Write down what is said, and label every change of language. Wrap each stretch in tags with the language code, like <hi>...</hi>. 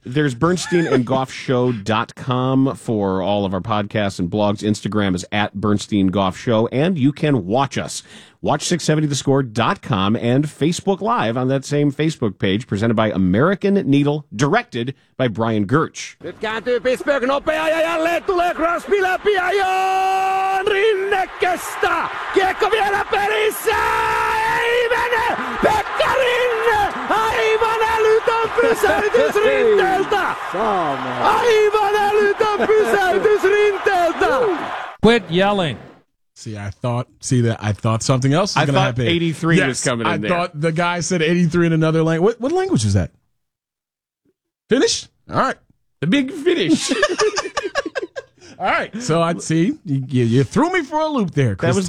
<en>There's BernsteinandGoffShow.com for all of our podcasts and blogs. Instagram is at BernsteinGoffShow, and you can watch us. Watch 670thescore.com and Facebook Live on that same Facebook page, presented by American Needle, directed by Brian Gertsch.</en> <fi>Nyt kääntyy Pittsburgh nopea ja jälleen tulee Crosby läpi ajoon rinnekestä. Kiekko vielä perissä! Ei mene! Pekka Rinne! Aivan älytön pysäytys rinteeltä! Aivan älytön pysäytys rinteeltä!</fi> <en>Quit yelling. I thought something else was going to happen. I thought 83 was coming in there. I thought the guy said 83 in another language. What language is that? Finnish? All right. The big Finnish. All right. So I'd see. You threw me for a loop there, Chris Tannehill.</en>